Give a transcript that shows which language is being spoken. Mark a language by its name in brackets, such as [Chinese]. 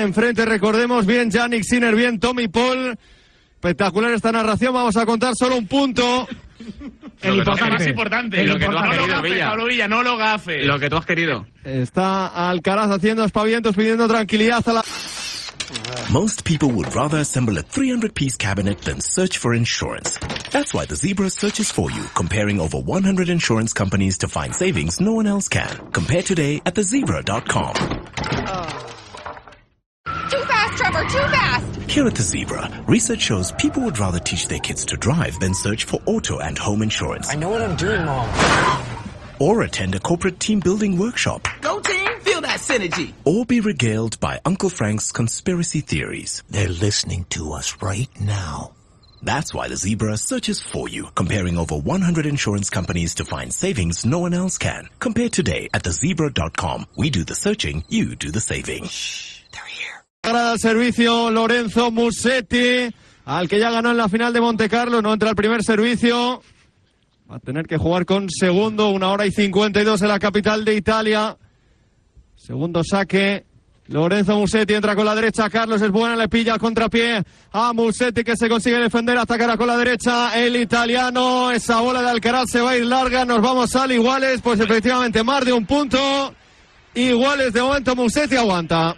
[Spanish] Enfrente, recordemos, bien Jannik Sinner, bien Tommy Paul. Espectacular esta narración. Vamos a contar solo un punto. El más importante. Lo que tú has querido, Pablo Villa, no lo gafes. Lo que tú has querido. Está Alcaraz haciendo espavientos, pidiendo tranquilidad a la... [English] Most people would rather assemble a 300-piece cabinet than search for insurance. That's why the Zebra searches for you, comparing over 100 insurance companies to find savings no one else can. Compare today at thezebra.com. Too fast, Trevor, too fast! Here at the Zebra, research shows people would rather teach their kids to drive than search for auto and home insurance. I know what I'm doing, Mom. Or attend a corporate team-building workshop. Go team! Synergy. Or be regaled by Uncle Frank's conspiracy theories. They're listening to us right now. That's why the Zebra searches for you, comparing over 100 insurance companies to find savings no one else can. Compare today at thezebra.com. We do the searching, you do the saving. Shh, they're here. [Spanish] Para el servicio, Lorenzo Musetti, al que ya ganó en la final de Monte Carlo, no entra al primer servicio. Va a tener que jugar con segundo, 1:52 en la capital de Italia. Segundo saque, Lorenzo Musetti entra con la derecha, Carlos es buena, le pilla contrapié a Musetti que se consigue defender, atacará con la derecha el italiano, esa bola de Alcaraz se va a ir larga, nos vamos al iguales, pues efectivamente más de un punto, iguales de momento Musetti aguanta.